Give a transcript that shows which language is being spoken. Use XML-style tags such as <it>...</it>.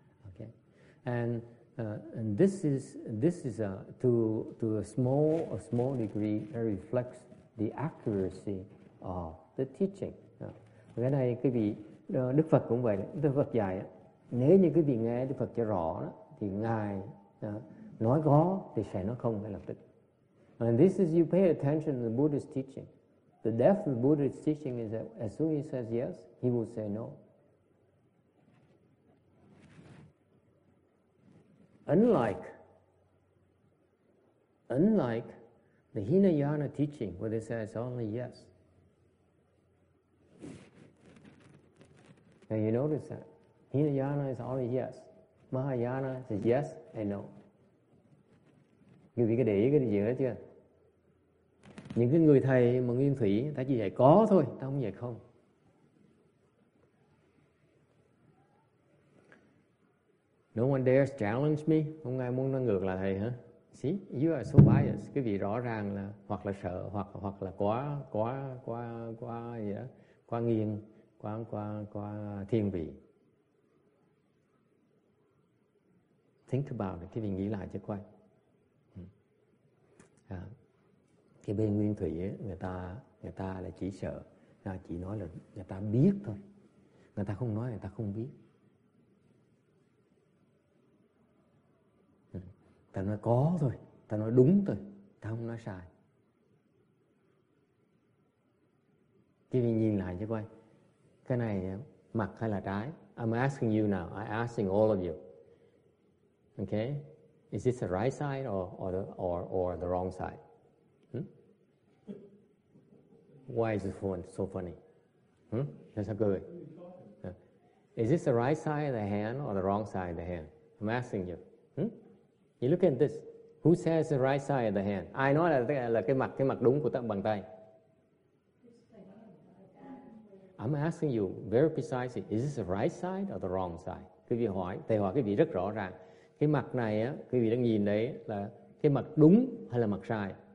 <en>Okay, and this is to a small degree reflects the accuracy of the teaching.</en> <vi>Cái này quý vị, Đức Phật cũng vậy. Đức Phật dạy, nếu như quý vị nghe Đức Phật cho rõ thì Ngài nói có thì sẽ nói không ngay lập tức.</vi> <en>And this is, you pay attention to the Buddhist teaching. The depth of the Buddhist teaching is that as soon as he says yes, he will say no. Unlike the Hinayana teaching, where they say it's only yes. Now you notice that Hinayana is only yes. Mahayana is yes and no.</en> <vi>Quý vị có để ý cái gì hết chưa? Những cái người thầy mà nguyên thủy, ta chỉ dạy có thôi, ta không dạy không.</vi> <en>No one dares challenge me.</en> <vi>Không ai muốn nói ngược lại thầy hả?</vi> <en>See, you are so biased.</en> <vi>Quý vị rõ ràng là hoặc là sợ, hoặc là quá gì đó, quá nghiêng, quá thiên vị.</vi> <en>Think about it.</en> <vi>Quý vị nghĩ lại cho coi. Cái bên nguyên thủy ấy, người ta là chỉ sợ, chỉ nói là người ta biết thôi. Người ta không nói, người ta không biết. Ta nói có thôi, ta nói đúng thôi, ta không nói sai. Chứ mình nhìn lại chứ coi, cái này mặt hay là trái?</vi> <en>I'm asking you now, I'm asking all of you. Okay, is this the right side or the wrong side? Why is the phone so funny? That's a good. Is this the right side of the hand or the wrong side of the hand? I'm asking you. You look at this. Who says the right side of the hand?</en> <vi>Ai nói là cái mặt đúng của bàn tay?</vi> <en>I'm asking you very precisely. Is this the right side or the wrong side?</en> <vi>Quý vị hỏi, thầy hỏi quý vị rất rõ ràng. Cái mặt này á, quý vị đang nhìn đấy là cái mặt đúng hay là mặt sai?</vi>